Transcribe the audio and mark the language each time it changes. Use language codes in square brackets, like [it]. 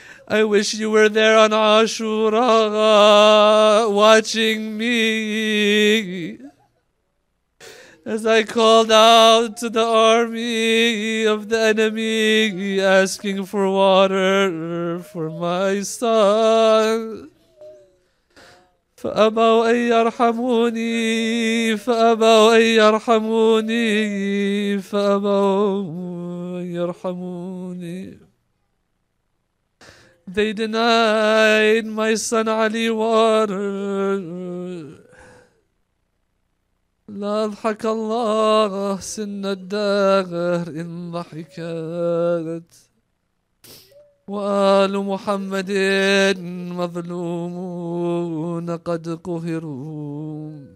[en] I wish you were there on Ashura watching me as I called out to the army of the enemy asking for water for my son. [ar] فأبوا أن يرحموني فأبوا أن يرحموني فأبوا أن يرحموني. [en] They denied my son Ali water. [ar] لا أضحك الله سن الدهر إن ضحكت وآل محمد مظلومون قد قهروا.